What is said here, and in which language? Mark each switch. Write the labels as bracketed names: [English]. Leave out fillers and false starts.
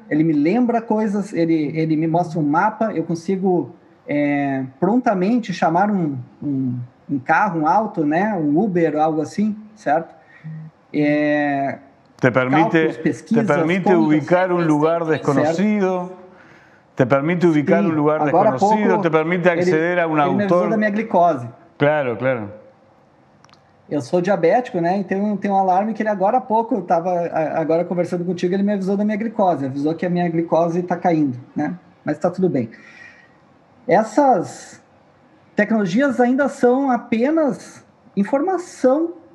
[Portuguese] Ele me lembra coisas, ele me mostra um mapa, eu consigo prontamente chamar um carro, um auto, né? Um Uber, algo assim, certo? [Spanish] Te permite ubicar un lugar desconocido, te permite ubicar un lugar desconocido, te permite acceder a un autor. [Portuguese] Me ajuda minha glicose. Claro, claro. Eu sou diabético, né? Então tem um alarme que ele agora há pouco, eu estava agora conversando contigo, ele me avisou da minha glicose, avisou que a minha glicose está caindo, né? Mas está tudo bem. Essas tecnologias ainda são apenas informação.